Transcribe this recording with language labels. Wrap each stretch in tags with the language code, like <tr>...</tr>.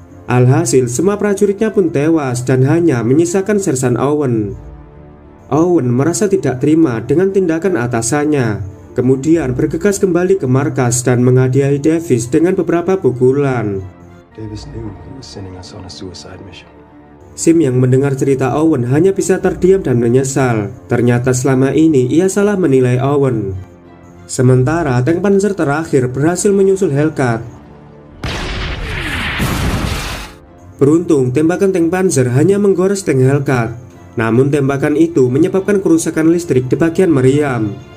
<id>Alhasil, semua prajuritnya pun tewas dan hanya menyisakan Sersan Owen. Owen merasa tidak terima dengan tindakan atasannya. Kemudian bergegas kembali ke markas dan menghadiahi Davis dengan beberapa pukulan.</id> <en>Davis knew he was sending us on a suicide mission.</en> <id>Sim yang mendengar cerita Owen hanya bisa terdiam dan menyesal. Ternyata selama ini ia salah menilai Owen. Sementara tank panzer terakhir berhasil menyusul Hellcat. Beruntung, tembakan tank panzer hanya menggores tank Hellcat. Namun tembakan itu menyebabkan kerusakan listrik di bagian meriam.</id>